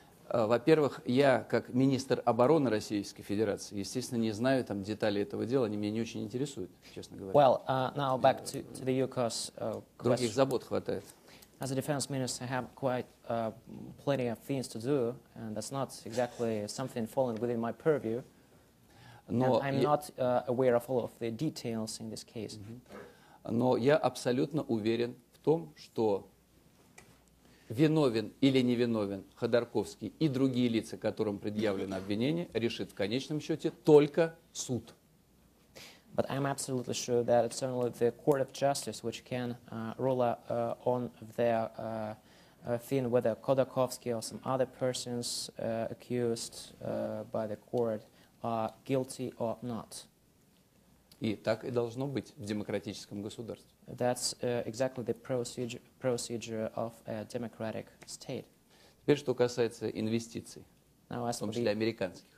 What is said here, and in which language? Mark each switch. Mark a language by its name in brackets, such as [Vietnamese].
[Russian] Во-первых, я, как министр обороны Российской Федерации, естественно, не знаю там детали этого дела, они меня не очень интересуют, честно говоря. [English] Well, now back to the ЮКОС question. [Russian] Других забот хватает. [English] As a defense minister, I have quite plenty of things to do, and that's not exactly something falling within my purview. [Russian] Но [English] and I'm not aware of all of the details in this case. [Russian] Но я абсолютно уверен в том, что виновен или невиновен Ходорковский и другие лица, которым предъявлено обвинение, решит в конечном счете только суд. [English] But I'm absolutely sure that it's only the court of justice which can rule on their thing, whether Ходорковский or some other persons accused by the court are guilty or not. [Russian] И так и должно быть в демократическом государстве. [English] That's exactly the procedure of a democratic state. [Russian] Теперь, что касается инвестиций, [English] Now, [Russian] в том числе американских.